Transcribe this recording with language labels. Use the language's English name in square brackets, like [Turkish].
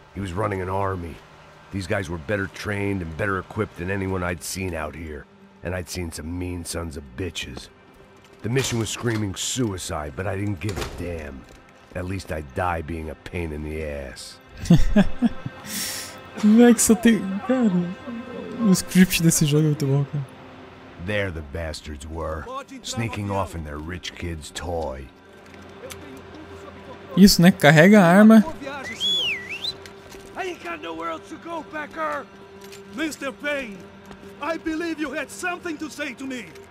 [English] He was running an army. These guys were better trained and better equipped than anyone I'd seen out here. And I'd seen some mean sons of bitches. The mission was screaming suicide, but I didn't give a damn. At least I die being a pain in the ass. [Portuguese] Como é que só tem... Cara, o script desse jogo é muito bom, cara. [English] There the bastards were, sneaking off in their rich kid's toy. [Portuguese] Isso, né? Carrega a arma. [English] I ain't got nowhere else to go, Becker. Mr. Payne, I believe you had something to say to me.